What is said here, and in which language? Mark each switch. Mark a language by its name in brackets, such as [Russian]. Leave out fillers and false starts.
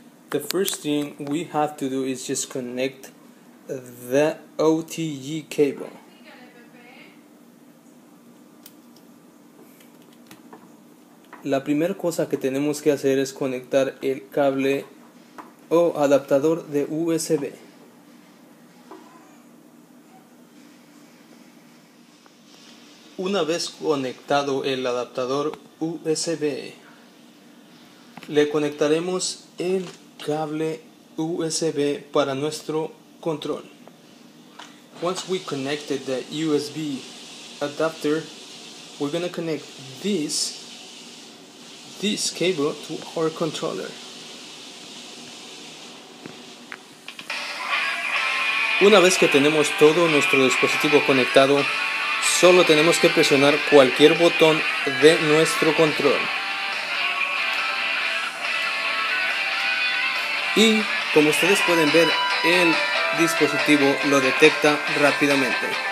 [English] The first thing we have to do is just connect the OTG cable. [Spanish] La primera cosa que tenemos que hacer es conectar el cable o adaptador de USB. Una vez conectado el adaptador USB, le conectaremos el cable USB para nuestro control. [English] Once we connected the USB adapter, we're gonna connect this cable to our controller. [Spanish] Una vez que tenemos todo nuestro dispositivo conectado, solo tenemos que presionar cualquier botón de nuestro control. Y como ustedes pueden ver, el dispositivo lo detecta rápidamente.